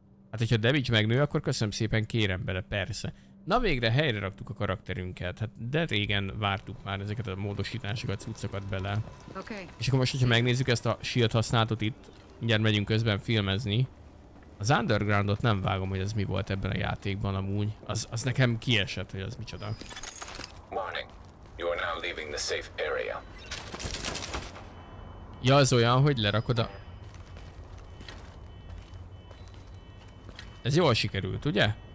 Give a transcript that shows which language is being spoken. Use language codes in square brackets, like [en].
[hu] Hát, hogyha damage megnő, akkor köszönöm szépen, kérem bele, persze. Na végre helyre raktuk a karakterünket, hát de régen vártuk már ezeket a módosításokat, cuccokat bele. Okay. És akkor most, hogyha megnézzük ezt a shield használatot itt, mindjárt megyünk közben filmezni. Az undergroundot nem vágom, hogy ez mi volt ebben a játékban amúgy. Az nekem kiesett, hogy az micsoda. [en] Warning. You are now leaving the safe area. [hu] Ja, az olyan, hogy lerakod a... Ez jól sikerült, ugye?